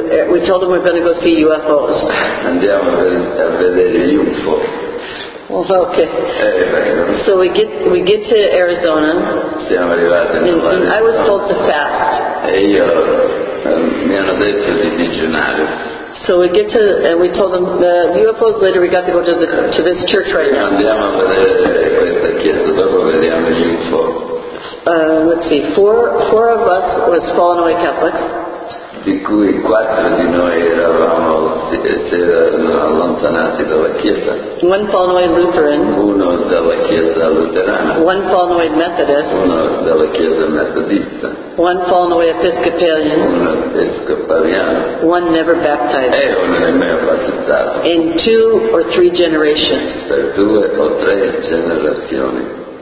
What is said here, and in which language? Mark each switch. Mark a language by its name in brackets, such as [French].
[English] We told them we're going to go see UFOs. [Italian] Andiamo a vedere gli UFO. [English] Okay. So we get to Arizona. [Italian] Siamo arrivati in Arizona. [English] I was told to fast. [Italian] E io mi hanno detto di digiunare. [English] So we get to, and we told them the UFOs later. We got to go to this church right now. [Italian] Andiamo a vedere questa chiesa dopo vediamo gli UFO. [English] Let's see. Four of us was fallen away Catholics. [Italian] Di cui quattro di noi eravamo allontanati dalla chiesa. [English] One fallen away Lutheran. [Italian] Uno dalla chiesa luterana. [English] One fallen away Methodist. [Italian] Uno dalla chiesa metodista. [English] One fallen away Episcopalian. [Italian] Uno episcopaliano. [English] One never baptized. [Italian] E uno nemmeno battezzato. [English] In two or three generations. [Italian] Per due o tre generazioni.